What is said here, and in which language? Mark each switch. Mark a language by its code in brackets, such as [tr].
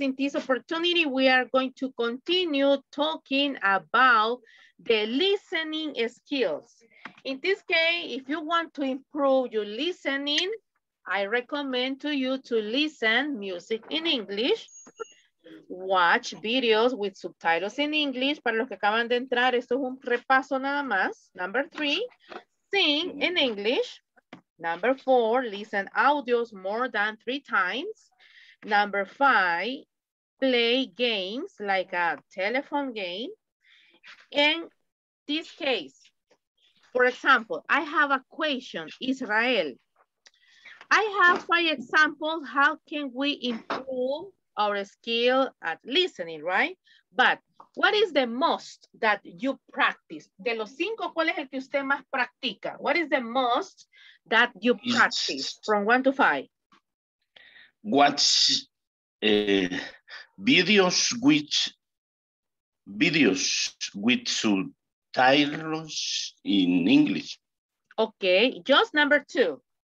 [en] In this opportunity, we are going to continue talking about the listening skills. In this case, if you want to improve your listening, I recommend to you to listen music in English, watch videos with subtitles in English. [es] Para los que acaban de entrar, esto es un repaso nada más. [en] Number three, sing in English. Number four, listen audios more than three times. Number five, play games like a telephone game. In this case, for example, I have a question, Israel. I have five examples, how can we improve our skill at listening, right? But what is the most that you practice? [es] De los cinco, ¿cuál es el que usted más practica? [en] What is the most that you practice from one to five? Watch videos with subtitles in English. Okay, just number two.